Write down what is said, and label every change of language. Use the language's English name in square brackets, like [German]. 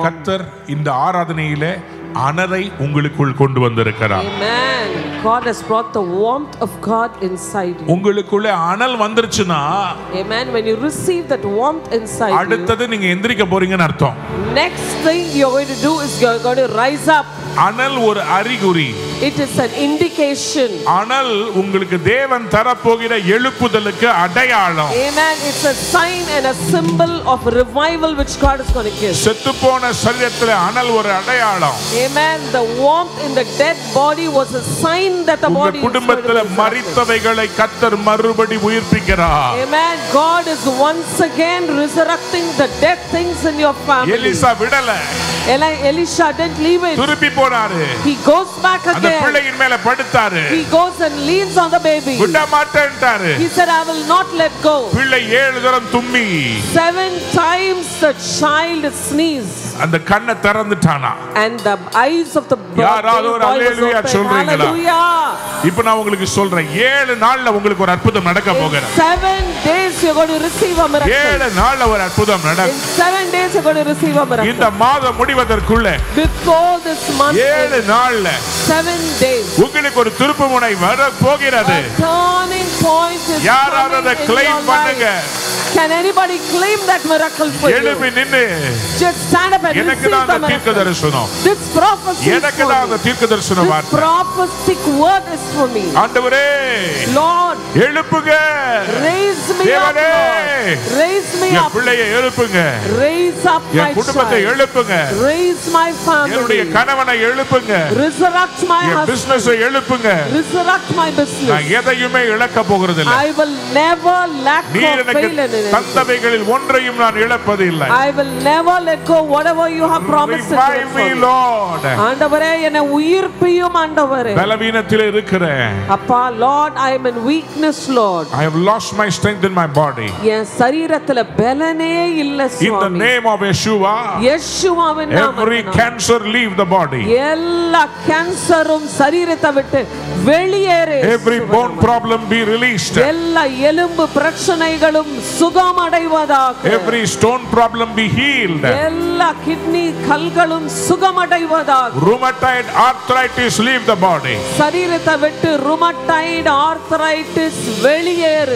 [Tamil] கர்த்தர் இந்த ஆராதனையிலே அனலை உங்களுக்குள் கொண்டு வந்திருக்கிறார். [English] God has brought the warmth of God inside you. [Tamil] உங்களுக்குள்ள அனல் வந்துருச்சுனா, [English] amen, when you receive that warmth inside, [Tamil] அடுத்து நீங்க எந்திரிக்க போறீங்கன்னு அர்த்தம். [English] Next thing you're going to do is you're going to rise up. [Tamil] அனல் ஒரு அறிகுறி. [English] It is an indication. [Tamil] அனல் உங்களுக்கு தேவன் தர போகிற எழுப்புதலுக்கு அடையாளம். [English] Amen. It's a sign and a symbol of revival which God is going to give. [Tamil] செத்து போன சரீரத்திலே அனல் ஒரு அடையாளம். [English] Amen. The warmth in the dead body was a sign that the body. [Tamil] குடும்பத்திலே மரித்தவைகளை கர்த்தர் மறுபடி உயிர்ப்பிக்கிறார். [English] Amen. God is once again resurrecting the dead things in your family. [Tamil] Elisha விடல. [English] Elisha didn't leave it. [Tamil] திருப்பி போறாரு. [English] He goes back again. [Tamil] அந்த பிள்ளையின் மேல படுத்தாரு. [English] He goes and leans on the baby. [Tamil] விட மாட்டேன்ட்டாரு. [English] He said, I will not let go. [Tamil] பிள்ளை ஏழு தரம் தும்மி. [English] 7 times the child sneezed. [Tamil] அந்த கண்ணை திறந்துட்டானா. [English] And the eyes of the boy. [Tamil] யாராவது ஒரு அல்லேலூயா சொல்றீங்களா? அல்லேலூயா. இப்போ நான் உங்களுக்கு சொல்றேன், 7 நாள்ல உங்களுக்கு ஒரு அற்புதம் நடக்க போகிறது. [English] 7 days you're going to receive a miracle. [Tamil] 7 நாள்ல ஒரு அற்புதம் நடக்கும். [English] In 7 days you're going to receive a miracle. [Tamil] இந்த மாதம் முடிவதற்குள்ள. [English] Before this month. [Tamil] 7 நாள்ல. [English] 7 days. [Tamil] உங்களுக்கு ஒரு திருப்பு முனை வர போகிறது. [English] A turning point is coming in your life. [Tamil] யாராவது அதை கிளைம் பண்ணுங்க. [English] Can anybody claim that miracle for you? Just stand up and receive the miracle. This prophecy is for me. This prophetic word is for me. Lord, raise me up, Lord. Raise me up. Raise up my child. Raise my family. Resurrect my husband. Resurrect my business. I will never lack or fail in it. [Tamil] தந்தவைகளில் ஒன்றையும் நான் இழப்பதில்லை. [English] I will never let go whatever you have promised. Revive me, Lord. [Tamil] ஆண்டவரே, என்னை உயிர்ப்பியும் ஆண்டவரே. பலவீனத்தில் இருக்கிறேன். [English] அப்பா, Lord, I am in weakness, Lord. I have lost my strength in my body. [Tamil] என் சரீரத்தில் பலனே இல்லை சுவாமி. [English] In the name of Yeshua. [Tamil] யேசுவாவின் நாமத்தில். [English] Every cancer leave the body. [Tamil] எல்லா கேன்சரும் சரீரத்தை விட்டு வெளியேறு. [English] Every bone problem be released. [Tamil] எல்லா எலும்பு பிரச்சனைகளும் [English] Every stone problem be healed. [Tamil] Ella kidney kalgalum sugamadaivadaga. [English] Rheumatoid arthritis leave the body. [Tamil] Sarirata vettu rheumatoid arthritis veliyeru.